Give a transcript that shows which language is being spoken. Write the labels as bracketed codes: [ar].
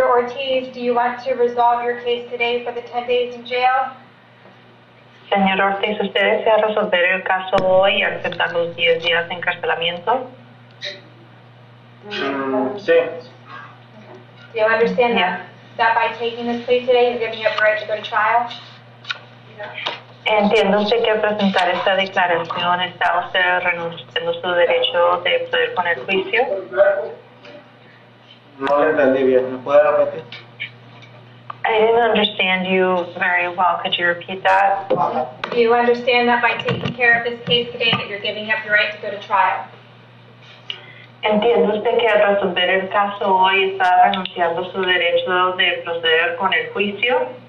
[en] Ortiz, do you want to resolve your case today for the 10 days in jail? [es] Señor Ortiz, ¿usted desea resolver el caso hoy y aceptar los 10 días de encarcelamiento? Sí. [en] Do you understand that by taking this plea today, you're giving up your right to go to trial? [es] Entiendo usted que al presentar esta declaración está usted renunciando su derecho de poder poner juicio. No lo entendí bien, ¿me puede repetir? [en] I didn't understand you very well. Could you repeat that? Do you understand that by taking care of this case today that you're giving up your right to go to trial? [es] Entiendo usted que al resolver el caso hoy está renunciando su derecho de proceder con el juicio.